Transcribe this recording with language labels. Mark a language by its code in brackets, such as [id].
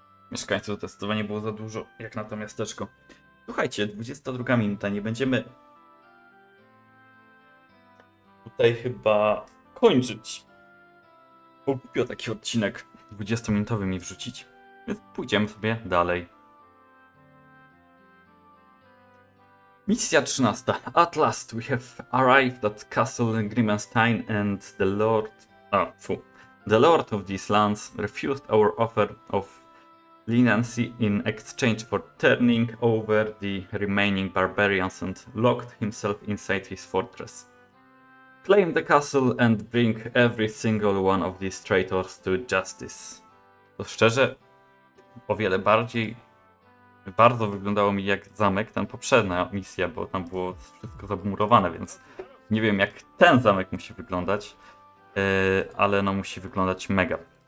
[pl] Mieszkańców zdecydowanie było za dużo, jak na to miasteczko. Słuchajcie, 22 minuta, nie będziemy tutaj chyba kończyć. Bo głupio taki odcinek 20-minutowy mi wrzucić, więc pójdziemy sobie dalej. Misja 13. [en] At last we have arrived at Castle Grimmenstein and the Lord... The Lord of these lands refused our offer of leniency in exchange for turning over the remaining barbarians and locked himself inside his fortress. Claim the castle and bring every single one of these traitors to justice. [pl] To szczerze, o wiele bardziej, bardzo wyglądało mi jak zamek, ten poprzednia misja, bo tam było wszystko zamurowane, więc nie wiem jak ten zamek musi wyglądać, ale no musi wyglądać mega.